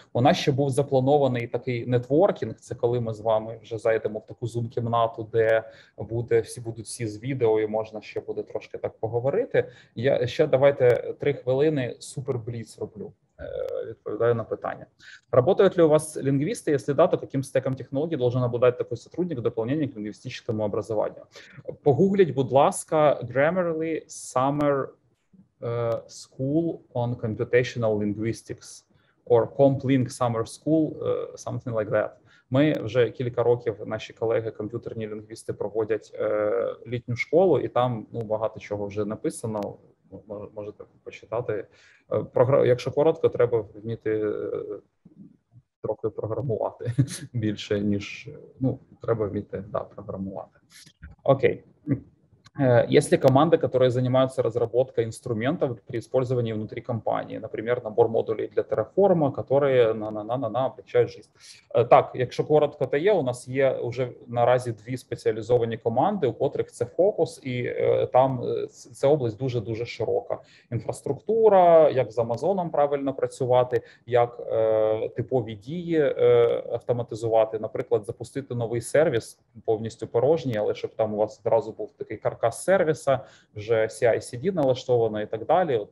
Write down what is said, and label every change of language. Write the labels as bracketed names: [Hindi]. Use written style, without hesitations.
[Ukrainian] У нас ще був запланований такий нетворкінг, це коли ми з вами вже зайдемо в таку зум-кімнату, де будуть всі з відео і можна ще буде трошки так поговорити. Я ще давайте 3 хвилини супер-бліц роблю, відповідаю на питання. [Russian] Работают ли у вас лингвисты? Если да, то каким стеком технологий должен обладать такой сотрудник в дополнение к лингвистическому образованию? [Ukrainian] Погуглить, будь ласка, [English] Grammarly Summer School on Computational Linguistics or Comp-Link Summer School, something like that. [Ukrainian] Ми вже кілька років, наші колеги, комп'ютерні лінгвісти, проводять літню школу, і там багато чого вже написано, можете почитати. Якщо коротко, треба вміти трохи програмувати більше, ніж, треба вміти, програмувати. Окей. [Russian] Есть ли команды, которые занимаются разработкой инструментов при использовании внутри компании? Например, набор модулей для Terraform, которые облегчают жизнь. [Ukrainian] Так, якщо коротко, то є, у нас є уже наразі 2 спеціалізовані команди, у котрих це фокус, і там ця область дуже-дуже широка. Інфраструктура, як з Амазоном правильно працювати, як типові дії автоматизувати, наприклад, запустити новий сервіс, повністю порожній, але щоб там у вас одразу був такий каркас сервіса, вже CI/CD налаштовано і так далі.